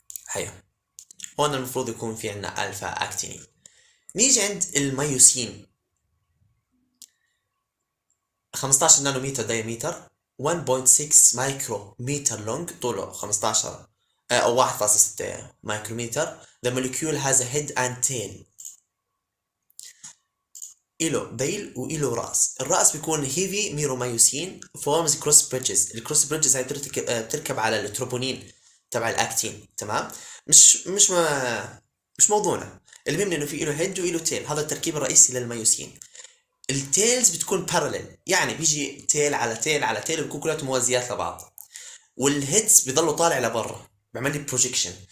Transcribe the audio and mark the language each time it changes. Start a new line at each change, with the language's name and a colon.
Arabic: هيا هون المفروض يكون في عندنا الفا اكتينين. نيجي عند الميوسين 15 نانومتر دايمتر 1.6 مايكرو متر لونج، طوله 15 او 1.6 مايكرومتر.
English: The molecule has a head and tail.
Arabic: إله ذيل وإله رأس. الرأس بيكون heavy ميروميوسين
English: forms cross bridges.
Arabic: الكروس بريدجز هاي بتركب على التروبونين تبع الاكتين، تمام؟ مش موضوعنا. المهم انه في له هيد وله تيل، هذا التركيب الرئيسي للميوسين. التيلز بتكون بارلل، يعني بيجي تيل على تيل على تيل، بكون كلها موازيات لبعض، والهيدز بيضلوا طالع لبرا، بعمل لي بروجكشن.